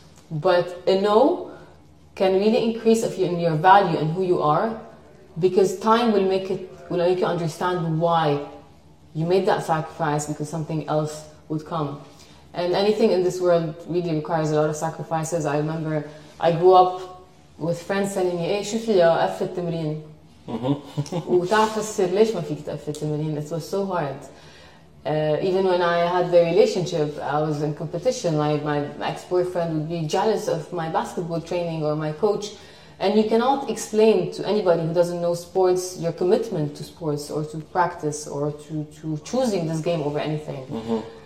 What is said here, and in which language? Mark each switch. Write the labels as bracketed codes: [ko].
[en] But a no can really increase in your value and who you are, because time will make it, will make you understand why you made that sacrifice, because something else would come. And anything in this world really requires a lot of sacrifices. I remember I grew up with friends telling me, "Hey, Shufia, [ar] أفت التمرين." وتعرف السر ليش ما فيك تأفت التمرين? [en] It was so hard. Even when I had the relationship, I was in competition. Like my ex-boyfriend would be jealous of my basketball training or my coach. And you cannot explain to anybody who doesn't know sports your commitment to sports or to practice or to choosing this game over anything.